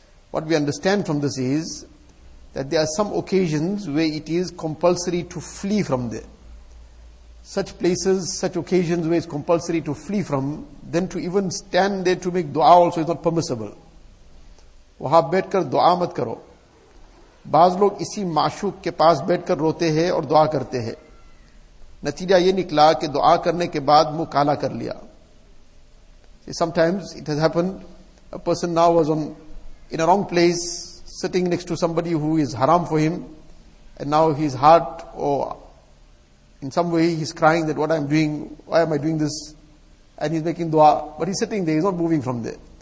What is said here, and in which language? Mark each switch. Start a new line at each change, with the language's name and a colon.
English: What we understand from this is that there are some occasions where it is compulsory to flee from there. Such places, such occasions where it's compulsory to flee from, then to even stand there to make dua also is not permissible.
Urdu: وہاں بیٹھ کر دعا مت کرو. بعض لوگ اسی معشوق کے پاس بیٹھ کر روتے ہیں اور دعا کرتے ہیں. نتیجہ یہ نکلا کہ دعا کرنے کے بعد منہ کالا کر لیا.
English: Sometimes it has happened, a person now was in a wrong place, sitting next to somebody who is haram for him, and now his heart, or in some way he's crying that what I'm doing, why am I doing this, and he's making dua, but he's sitting there, he's not moving from there.